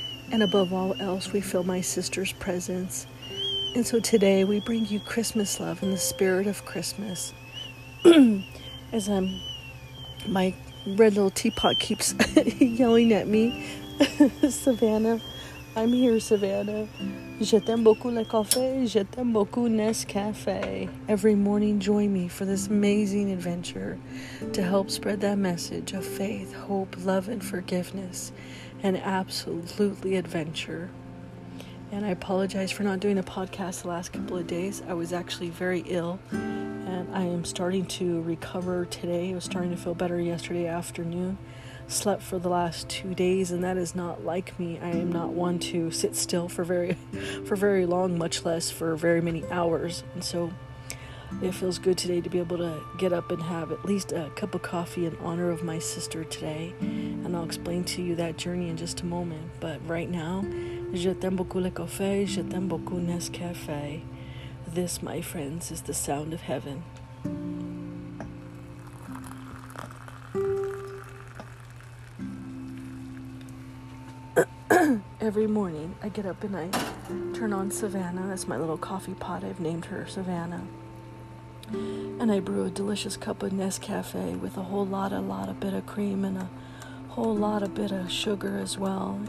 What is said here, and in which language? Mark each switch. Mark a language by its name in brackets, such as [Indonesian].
[English] And above all else, we feel my sister's presence. And so today we bring you Christmas love in the spirit of Christmas. As my red little teapot keeps yelling at me, Savannah. I'm here, Savannah. [French] Je t'aime beaucoup le café, je t'aime beaucoup Nescafé. [English] Every morning, join me for this amazing adventure to help spread that message of faith, hope, love, and forgiveness, and absolutely adventure. And I apologize for not doing a podcast the last couple of days. I was actually very ill, and I am starting to recover today. I was starting to feel better yesterday afternoon. Slept for the last 2 days, and that is not like me. I am not one to sit still for very long, much less for very many hours. And so it feels good today to be able to get up and have at least a cup of coffee in honor of my sister today. And I'll explain to you that journey in just a moment. [French] But right now, je t'aime beaucoup le café, je t'aime beaucoup Nescafé. [English] This, my friends, is the sound of heaven. Every morning, I get up and I turn on Savannah. That's my little coffee pot. I've named her Savannah. And I brew a delicious cup of Nescafé with a whole lot of bit of cream and a whole lot of bit of sugar as well.